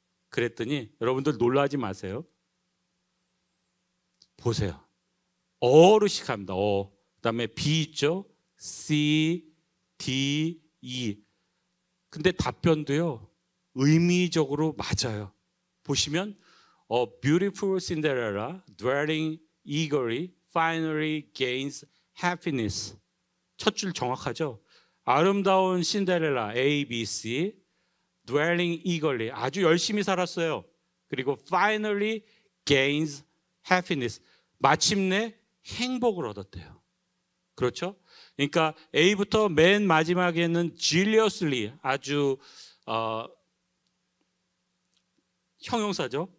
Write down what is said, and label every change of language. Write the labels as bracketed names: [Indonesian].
[Korean] 그랬더니 여러분들 놀라지 마세요. 보세요. 어로 시작합니다. 그다음에 B 있죠. C, D, E. 근데 답변도요 의미적으로 맞아요. [English] 보시면 A beautiful Cinderella dwelling eagerly finally gains happiness. [Korean] 첫 줄 정확하죠? 아름다운 신데렐라 A, B, C [English] dwelling eagerly [Korean] 아주 열심히 살았어요. 그리고 [English] finally gains happiness [Korean] 마침내 행복을 얻었대요. 그렇죠? 그러니까 A부터 맨 마지막에는 zealously 아주 형용사죠.